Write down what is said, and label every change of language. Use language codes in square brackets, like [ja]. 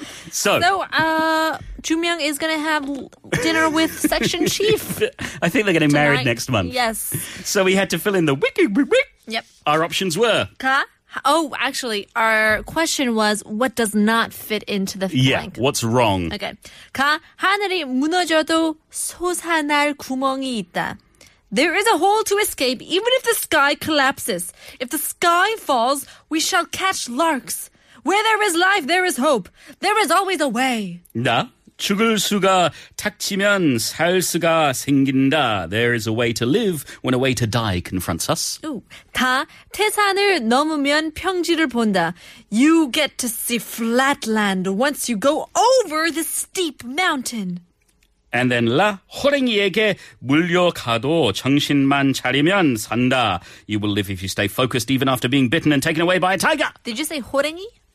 [en] So, Junmyung is going to have dinner with section chief. I think they're getting married next month. Yes. So we had to fill in the wiki-wiki-wiki. Yep. Our options were... Actually, our question was, what does not fit into the blank? Yeah, what's wrong? Okay. [ko] 가, 하늘이 무너져도 솟아날 구멍이 있다. [en] There is a hole to escape, even if the sky collapses. If the sky falls, we shall catch larks. Where there is life, there is hope. There is always a way. [ko] 나, 죽을 수가 닥치면 살 수가 생긴다. [en] There is a way to live when a way to die confronts us. [ko] 다, 태산을 넘으면 평지를 본다. [en] You get to see flatland once you go over the steep mountain. And then [ko] 라, 호랭이에게 물려가도 정신만 차리면 산다. [en] You will live if you stay focused even after being bitten and taken away by a tiger. Did you say 호랭이?